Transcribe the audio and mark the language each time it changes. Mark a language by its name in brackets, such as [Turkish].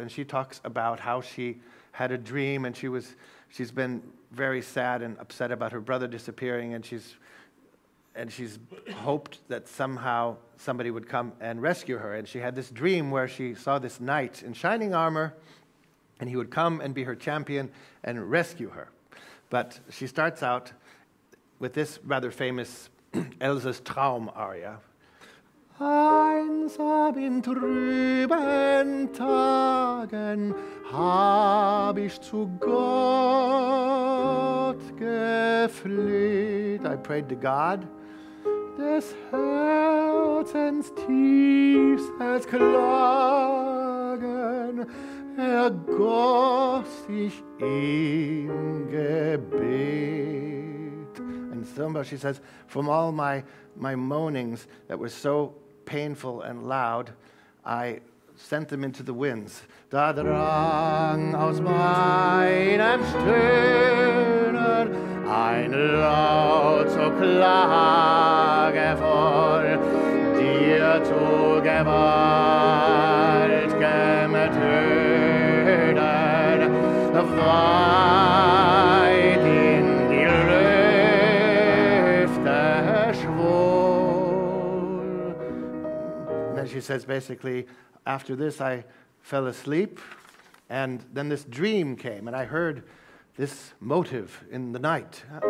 [English] And she talks about how she had a dream, and she's been very sad and upset about her brother disappearing, and she's hoped that somehow somebody would come and rescue her. And she had this dream where she saw this knight in shining armor, and he would come and be her champion and rescue her. But she starts out with this rather famous Elsa's Traum aria. [German] Einsam in trüben Tagen hab ich zu Gott gefleht. [English] I prayed to God. [German] Des Herzens tiefstes Klagen ergoss ich im Gebet. [English] And Thumba, she says, from all my moanings that were so painful and loud, I sent them into the winds. [German] Da drang aus meinem Stöhnen ein Laut zur Klage vor dir zu gewaltigem Tönen weit in die Lüfte schwoll. [English] Then she says basically, after this I fell asleep, and then this dream came, and I heard this motive in the night.